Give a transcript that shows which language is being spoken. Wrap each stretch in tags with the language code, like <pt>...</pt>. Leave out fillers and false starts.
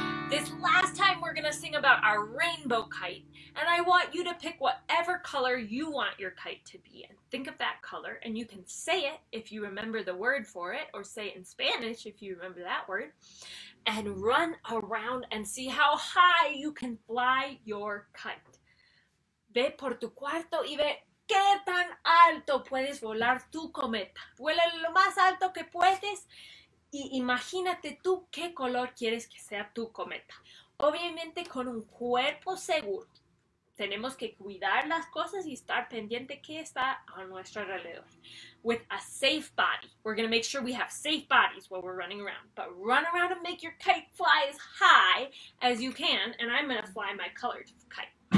<en>This last time we're going to sing about our rainbow kite, and I want you to pick whatever color you want your kite to be in. Think of that color, and you can say it if you remember the word for it, or say it in Spanish if you remember that word. And run around and see how high you can fly your kite.</en> <es>Ve por tu cuarto y ve qué tan alto puedes volar tu cometa. Vuela lo más alto que puedes y imagínate tú qué color quieres que sea tu cometa. Obviamente con un cuerpo seguro. Tenemos que cuidar las cosas y estar pendiente qué está a nuestro alrededor.</es> <en>With a safe body. We're going to make sure we have safe bodies while we're running around. But run around and make your kite fly as high as you can. And I'm going to fly my colored kite.</en>